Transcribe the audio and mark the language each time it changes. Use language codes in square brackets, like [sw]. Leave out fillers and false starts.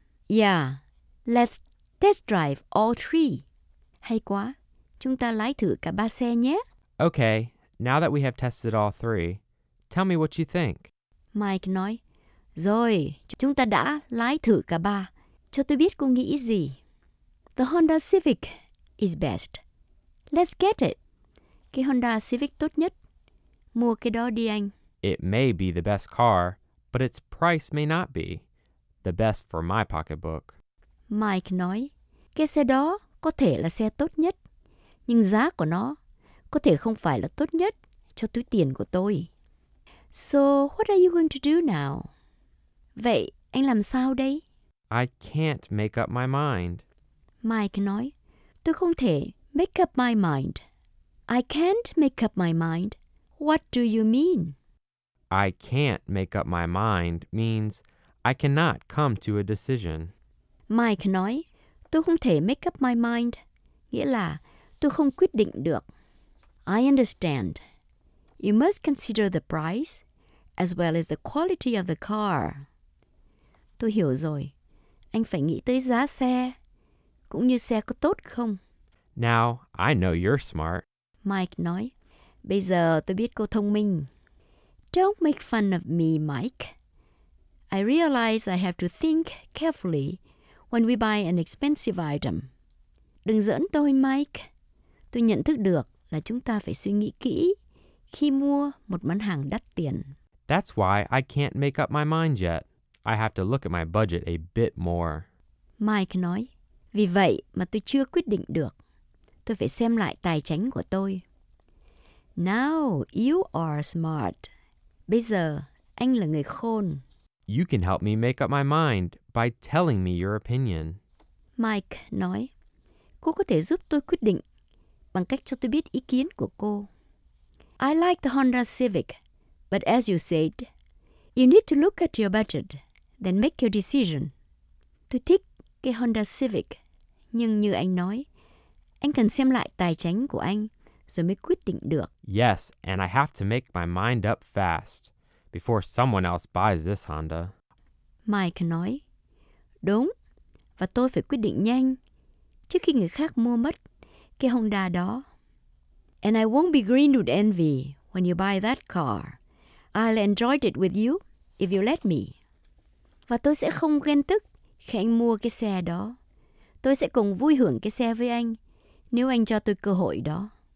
[en] Yeah, let's test drive all three. [vi] Hay quá. Chúng ta lái thử cả ba xe nhé. [en] Okay, now that we have tested all three, tell me what you think. [vi] Mike nói, rồi, chúng ta đã lái thử cả ba. Cho tôi biết cô nghĩ gì. [en] The Honda Civic is best. Let's get it. [vi] Cái Honda Civic tốt nhất. Mua cái đó đi anh. [en] It may be the best car, but its price may not be the best for my pocketbook. [vi] Mike nói, cái xe đó có thể là xe tốt nhất. Nhưng giá của nó có thể không phải là tốt nhất cho túi tiền của tôi. [en] So, what are you going to do now? [vi] Vậy, anh làm sao đây? [en] I can't make up my mind. [vi] Mike nói, tôi không thể [en] make up my mind. I can't make up my mind. What do you mean? I can't make up my mind means I cannot come to a decision. [vi] Mike nói, tôi không thể [en] make up my mind, [vi] nghĩa là tôi không quyết định được. [en] I understand. You must consider the price as well as the quality of the car. [vi] Tôi hiểu rồi. Anh phải nghĩ tới giá xe, cũng như xe có tốt không. [en] Now, I know you're smart. [vi] Mike nói, bây giờ tôi biết cô thông minh. [en] Don't make fun of me, Mike. I realize I have to think carefully when we buy an expensive item. [vi] Đừng giỡn tôi, Mike. Tôi nhận thức được là chúng ta phải suy nghĩ kỹ khi mua một món hàng đắt tiền. [en] That's why I can't make up my mind yet. I have to look at my budget a bit more. [vi] Mike nói, vì vậy mà tôi chưa quyết định được. Tôi phải xem lại tài chính của tôi. [en] Now you are smart. [vi] Bây giờ, anh là người khôn. [en] You can help me make up my mind by telling me your opinion. [vi] Mike nói, cô có thể giúp tôi quyết định bằng cách cho tôi biết ý kiến của cô. [en] I like the Honda Civic, but as you said, you need to look at your budget, then make your decision. [vi] Tôi thích cái Honda Civic, nhưng như anh nói, anh cần xem lại tài chính của anh rồi mới quyết định được. [en] Yes, and I have to make my mind up fast before someone else buys this Honda. [vi] Mike nói, đúng, và tôi phải quyết định nhanh trước khi người khác mua mất cái Honda đó. [en] And I won't be green with envy when you buy that car. I'll enjoy it with you if you let me. [vi] Và tôi sẽ không ghen tức khi anh mua cái xe đó. Tôi sẽ cùng vui hưởng cái xe với anh nếu anh cho tôi cơ hội đó.